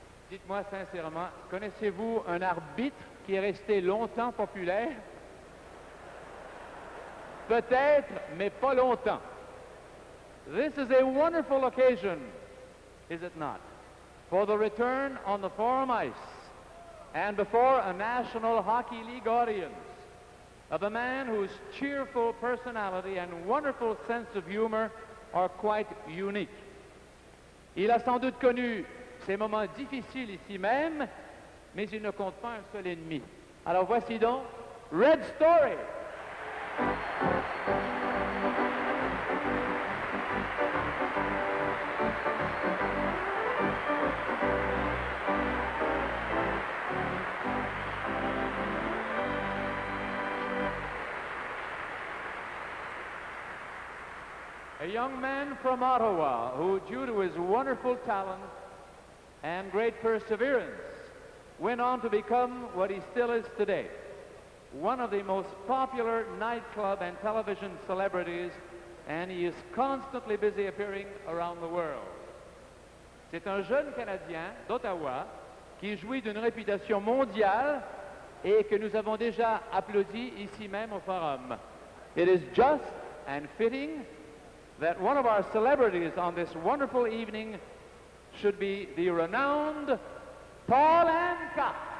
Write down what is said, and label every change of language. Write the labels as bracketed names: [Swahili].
[French] Dites-moi sincèrement, connaissez-vous un arbitre qui est resté longtemps populaire? Peut-être, mais pas longtemps. [English] This is a wonderful occasion, is it not, for the return on the forum ice and before a National Hockey League audience of a man whose cheerful personality and wonderful sense of humor are quite unique. [French] Il a sans doute connu ces moments difficiles ici même, mais il ne compte pas un seul ennemi. Alors voici donc Red Story. [English] A young man from Ottawa who, due to his wonderful talent and great perseverance, went on to become what he still is today. One of the most popular nightclub and television celebrities, and he is constantly busy appearing around the world. [French] C'est un jeune Canadien d'Ottawa qui jouit d'une réputation mondiale et que nous avons déjà applaudi ici même au Forum. [English] It is just and fitting that one of our celebrities on this wonderful evening should be the renowned Paul Anka.